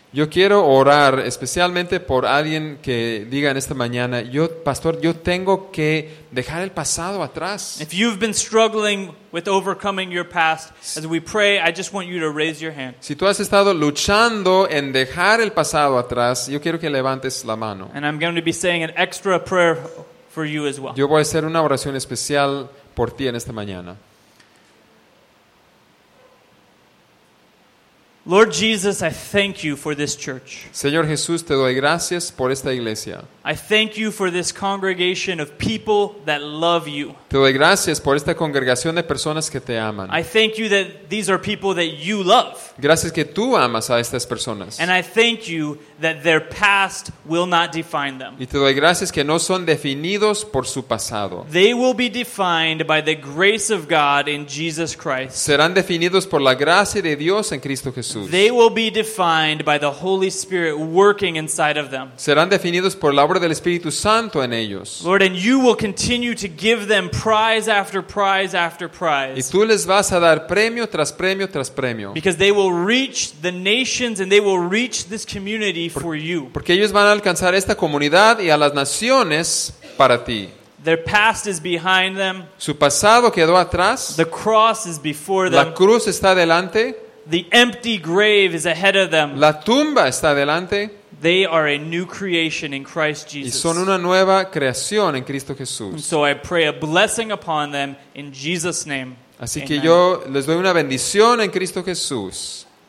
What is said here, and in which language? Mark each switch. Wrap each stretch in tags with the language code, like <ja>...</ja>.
<es>Yo quiero orar especialmente por alguien que diga en esta mañana, "Yo, pastor, yo tengo que dejar el pasado atrás."</es> <en>If you've been struggling with overcoming your past, as we pray, I just want you to raise your hand.</en> <es>Si tú has estado luchando en dejar el pasado atrás, yo quiero que levantes la mano.</es> <en>And I'm going to be saying an extra prayer for you as well.</en> <es>Yo voy a hacer una oración especial por ti en esta mañana.</es> <en>Lord Jesus, I thank you for this church.</en> <es>Señor Jesús, te doy gracias por esta iglesia.</es> <en>I thank you for this congregation of people that love you.</en> <es>Te doy gracias por esta congregación de personas que te aman.</es> <en>I thank you that these are people that you love.</en> <es>Gracias que tú amas a estas personas.</es> <en>And I thank you that their past will not define them.</en> <es>Y te doy gracias que no son definidos por su pasado.</es> <en>They will be defined by the grace of God in Jesus Christ.</en> <es>Serán definidos por la gracia de Dios en Cristo Jesús.</es> <en>They will be defined by the Holy Spirit working inside of them.</en> <es>Serán definidos por la obra del Espíritu Santo en ellos.</es> <en>Lord, and you will continue to give them prize after prize after prize.</en> <es>Y tú les vas a dar premio tras premio tras premio.</es> <en>Because they will reach the nations and they will reach this community for you.</en> <es>Porque ellos van a alcanzar esta comunidad y a las naciones para ti.</es> <en>Their past is behind them.</en> <es>Su pasado quedó atrás.</es> <en>The cross is before them.</en> <es>La cruz está delante.</es> <en>The empty grave is ahead of them.</en> <es>La tumba está delante.</es> <en>They are a new creation in Christ Jesus.</en> <es>Y son una nueva creación en Cristo Jesús.</es> <en>And so I pray a blessing upon them in Jesus' name.</en> <es>Así Amen. Que yo les doy una bendición en Cristo Jesús.</es>